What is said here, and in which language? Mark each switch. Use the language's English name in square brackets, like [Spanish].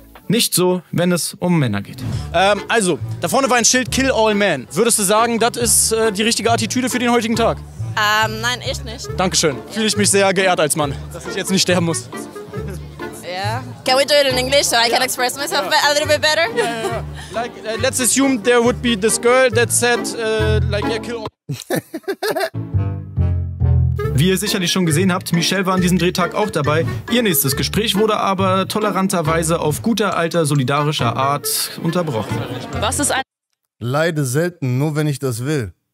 [German] Nicht so, wenn es um Männer geht. Also, da vorne war ein Schild Kill All Men. Würdest du sagen, das ist die richtige Attitüde für den heutigen Tag? Nein, ich nicht. Dankeschön. Ja. Fühle ich mich sehr geehrt als Mann, dass ich jetzt nicht sterben muss. [English] Ja. Can we do it in English, so I can express myself a little bit better? Ja, ja, ja. Like, let's assume there would be this girl that said, like, yeah, kill all... [German] Wie ihr sicherlich schon gesehen habt, Michelle war an diesem Drehtag auch dabei. Ihr nächstes Gespräch wurde aber toleranterweise auf guter alter solidarischer Art unterbrochen. Was ist ein... Leide selten, nur wenn ich das will.